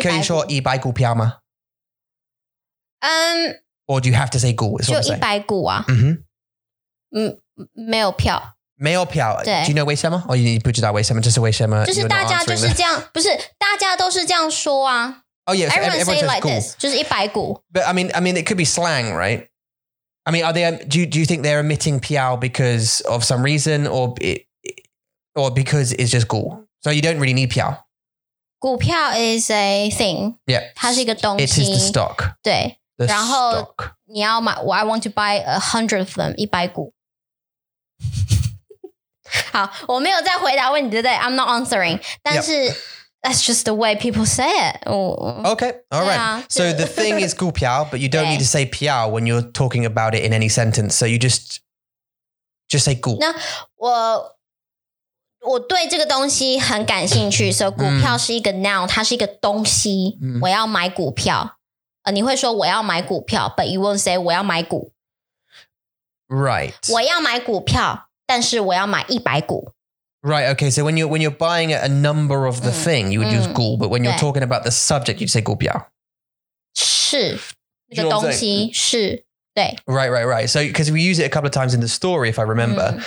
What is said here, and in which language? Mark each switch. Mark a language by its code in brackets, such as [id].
[zh] 但是你可以说一百股票吗? [en] Or do you have to say 股? [zh] 就一百股啊. Mm-hmm. 没有票. 没有票, [en] do you know [zh] 为什么?Or 你不知道为什么?这是为什么? 就是大家就是这样, 不是, 大家都是这样说啊. [en] Oh yeah, so everyone everyone say says like [zh] 股. This. 就是一百股. [en] But I mean it could be slang, right? I mean, do you think they're emitting piao because of some reason or because it's just 股? So you don't really need piao. 股票 is a thing. Yeah. [zh] 它是一个东西. [en] It is the stock. [zh] 对. [en] The 然后, stock. [zh] 你要买, [en] well, I want to buy 100 of them, [zh] 一百股. 好,我没有再回答问题, 对不对? [en] I'm not answering. [zh] 但是 [en] yep. That's just the way people say it. Ooh. Okay, all right. Yeah. So the thing is 股票, but you don't need to say 票 when you're talking about it in any sentence. So you just say 股. [zh] 那我对这个东西很感兴趣, so 股票是一个 noun, 它是一个东西, 我要买股票. 你会说我要买股票, [en] but you won't say [zh] 我要买股. [en] Right. [zh] 我要买股票, 但是我要买一百股. [en] Right, okay, so when you're buying a number of the thing, you would use 股, but when you're talking about the subject, you'd say 股票. [zh] 是,那个东西是, 对. [en] Right. So, because we use it a couple of times in the story, if I remember.